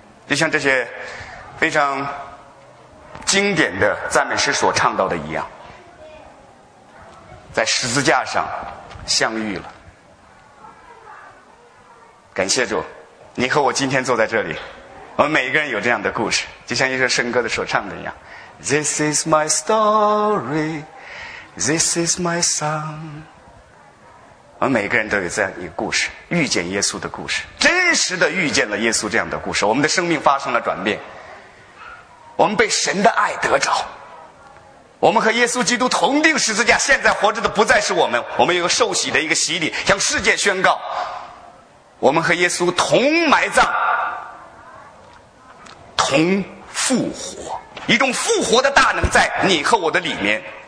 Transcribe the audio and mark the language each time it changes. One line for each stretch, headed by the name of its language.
Chinese: 就像这些非常经典的赞美诗所唱到的一样，在十字架上相遇了。感谢主，你和我今天坐在这里，我们每一个人有这样的故事，就像一首圣歌的所唱的一样。
English: This is my story, This is my song。
Chinese: 我们每一个人都有这样一个故事，遇见耶稣的故事，真实的遇见了耶稣这样的故事，我们的生命发生了转变，我们被神的爱得着，我们和耶稣基督同钉十字架，现在活着的不再是我们，我们有个受洗的一个洗礼，向世界宣告我们和耶稣同埋葬同复活，一种复活的大能在你和我的里面。